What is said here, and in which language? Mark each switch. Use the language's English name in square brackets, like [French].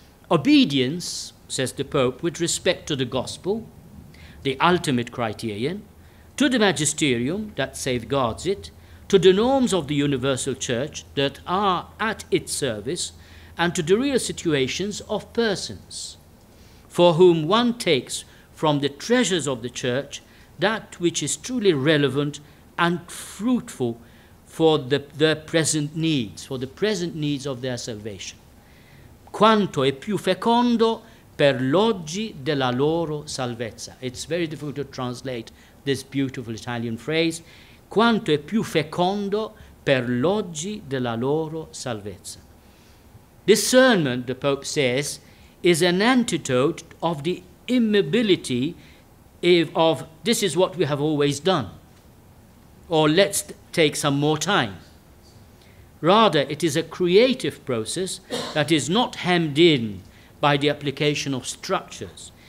[English] Obedience, says the Pope, with respect to the gospel, the ultimate criterion, to the magisterium that safeguards it, to the norms of the universal church that are at its service, and to the real situations of persons for whom one takes from the treasures of the church that which is truly relevant and fruitful for their present needs, for the present needs of their salvation. [Italian] Quanto è più fecondo per l'oggi della loro salvezza. [English] It's very difficult to translate this beautiful Italian phrase. [Italian] Quanto è più fecondo per l'oggi della loro salvezza. [English] Discernment, the Pope says, is an antidote of the immobility this is what we have always done, or let's take some more time. Rather, it is a creative process that is not hemmed in by the application of structures.